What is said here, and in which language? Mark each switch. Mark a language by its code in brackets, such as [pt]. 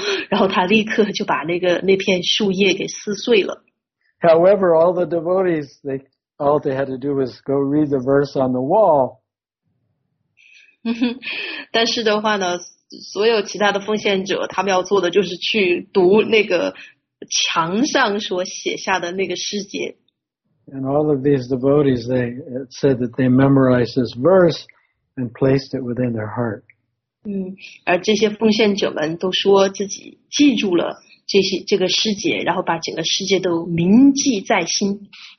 [zh] 然后他立刻就把那片树叶给撕碎了。 [en] However, all the devotees, all they had to do was go read the verse on the wall. [zh] 但是的话呢，所有其他的奉献者，他们要做的就是去读那个墙上所写下的那个诗节。 [en] And all of these devotees, it said that they memorized this verse and placed it within their heart. [zh] 而这些奉献者们都说自己记住了这个世界，然后把整个世界都铭记在心。